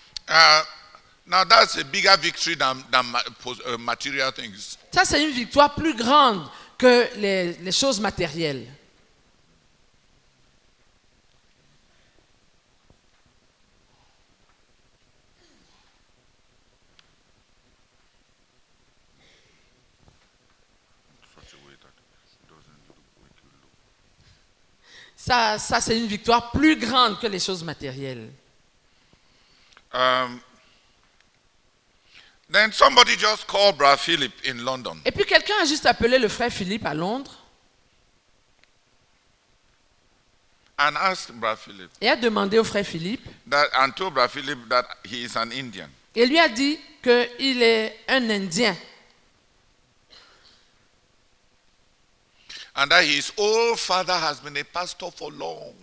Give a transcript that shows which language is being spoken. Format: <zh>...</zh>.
<en>Now that's a bigger victory than material things.</en> <fr>Ça c'est une victoire plus grande que les choses matérielles. Ça c'est une victoire plus grande que les choses matérielles.</fr> <en>Then somebody just called Brother Philip in London.</en> <fr>Et puis quelqu'un a juste appelé le frère Philippe à Londres.</fr> <en>and asked Brother Philip.</en> <fr>Et a demandé au frère Philippe.</fr> <en>That and told Brother Philip that he is an Indian.</en> <fr>Et lui a dit que il est un Indien.</fr> <en>And that his old father has been a pastor for long.</en>